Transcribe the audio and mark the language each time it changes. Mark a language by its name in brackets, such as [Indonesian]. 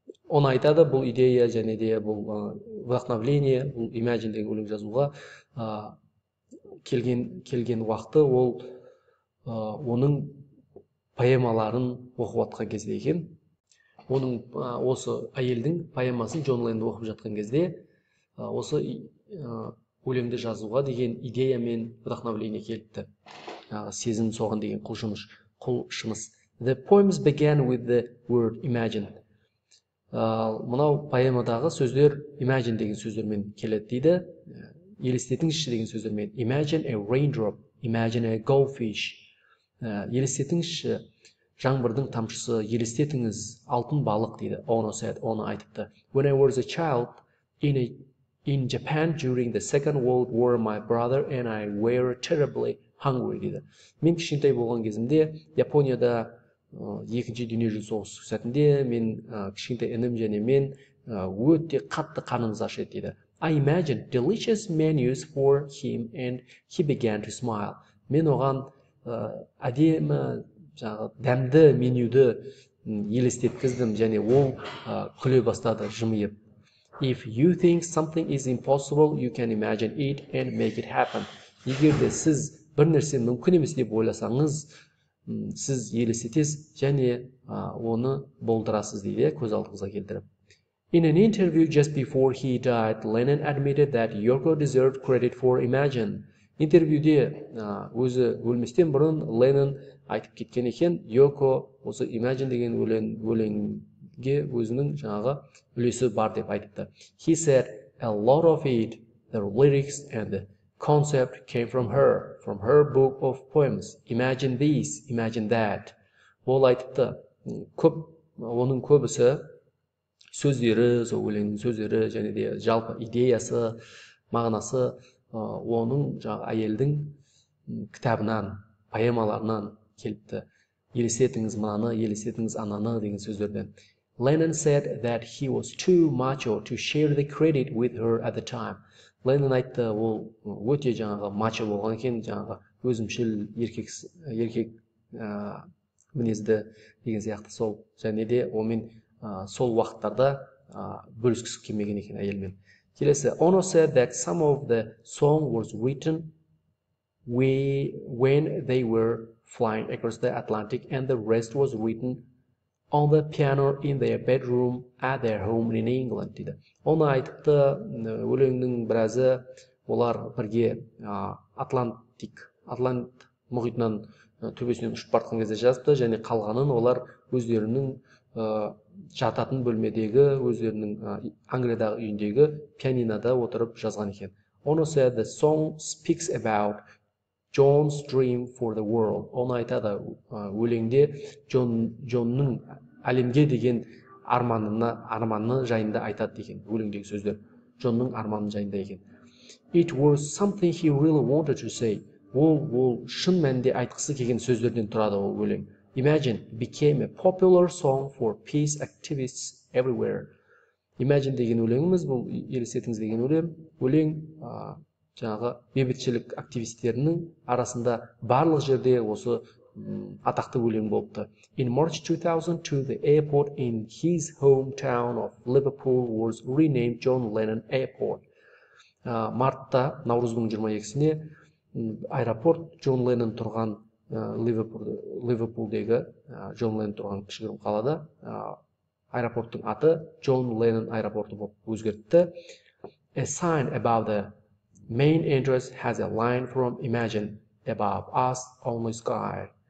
[Kazakh] Ona айтады, бұл идея және де бұл вдохновление, бұл Imagine деген өлең жазуға келген уақыты ол оның поэмаларын оқып жатқан кезде екен. Оның осы әйелдің поэмасын John Lennon оқып жатқан кезде осы өлемді жазуға деген идея мен вдохновление келіпті. Сезім соған деген құлшыныс. [English] The poems began with the word imagine. [Kazakh] Мынау поэмадағы сөздер imagine деген сөздермен келеді дейді. Елестетіңізші деген сөздермен. [English] Imagine a raindrop. Imagine a goldfish. [Kazakh] Елестетіңізші жаңбырдың тамшысы. Елестетіңіз алтын балық дейді. Оно [English] said, [Kazakh] оно айтыпты. [English] When I was a child, In Japan during the Second World War, my brother and I were terribly hungry, [Kazakh] дейді. Мен кішкентай болған кезімде Японияда Екінші дүниежүзілік соғыс сәтінде мен кішкентай інім және мен өте қатты қанымыз ашиды дейді. [English] I imagined delicious menus for him and he began to smile. [Kazakh] Мен оған әдемі жаңа дәмді менюді елестеткіздім және ол күле бастады жымиып. [English] If you think something is impossible, you can imagine it and make it happen. [Kazakh] Егер де сіз бір нәрсе мүмкін емес деп ойласаңыз, сіз елестетесіз және оны болдырасыз дейді, көз алдыңызға келтіріп. [English] In an interview just before he died, Lennon admitted that Yoko deserved credit for Imagine. [Kazakh] Интервьюде өзі өлместен бұрын Lennon айтып кеткен екен, Yoko осы Imagine деген өлеңге өзінің жаңағы үлесі бар деп айтыпты. [English] He said a lot of it, the lyrics and the concept came from her book of poems. Imagine this, imagine that. [Kazakh] Ол айтыпты, көп, оның көбісі сөздері, сол өлеңнің сөздері және де жалпы идеясы, мағынасы оның жаңа әйелдің кітабынан, поэмаларынан келіпті. Елестетіңіз мынаны, елестетіңіз ананы деген сөздерден. [English] Lennon said that he was too macho to share the credit with her at the time. [Kazakh] Lennon айтты, ол өте жаңағы мачо болған екен, жаңағы өзімшіл еркек мінезді деген сияқты сол және де онымен сол уақыттарда бөліскісі келмеген екен әйелмен. Келесі, [English] Ono said that some of the song was written when they were flying across the Atlantic and the rest was written on the piano in their bedroom at their home in England [Kazakh] dedi. Ona aytıptı, өлеңнің біразы олар бірге Атлант мұхитынан төбесінен ұшып барған кезде жазыпты және қалғанын олар өздерінің жататын бөлмедегі өздерінің Англиядағы үйіндегі пианинода отырып жазған екен. [English] Ona said the song speaks about John's dream for the world. [Kazakh] Ona айтады, өлеңде Джонның әлемге деген арманы жайында айтады деген өлеңдегі сөздер Джонның арманы жайында екен. [English] It was something he really wanted to say. [Kazakh] Ол шын мәнінде айтқысы келген сөздерден тұрады ол өлең. [English] Imagine became a popular song for peace activists everywhere. [Kazakh] Imagine деген өлеңіміз, бұл елестетіңіз деген өлең жаңағы бейбітшілік активистерінің арасында барлық жерде осы атақты өлең болыпты. [English] In March 2002, the airport in his hometown of Liverpool was renamed John Lennon Airport. [Kazakh] Мартта, наурыздың 22-сіне аэропорт Джон Леннон тұрған Ливерпулдегі Джон Леннон тұрған кішігірім қалада аэропорттың аты Джон Леннон аэропорты болып өзгертті. [English] A sign above the main entrance has a line from Imagine above us only sky.